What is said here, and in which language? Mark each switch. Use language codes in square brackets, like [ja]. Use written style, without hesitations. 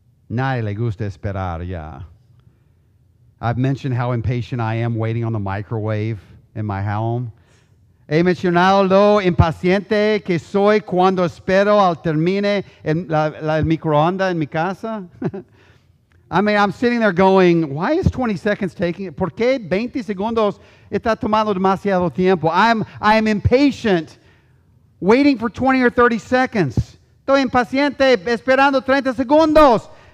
[es] Nadie le gusta esperar ya. [en] I've mentioned how impatient I am waiting on the microwave in my home. [es] He mencionado lo impaciente que soy cuando espero al termine el microondas en mi casa. [en] I mean, I'm sitting there going, why is 20 seconds taking it? [es] ¿Por qué 20 segundos está tomando demasiado tiempo? [en] I'm impatient, waiting for 20 or 30 seconds. [es] Estoy impaciente, esperando 30 segundos.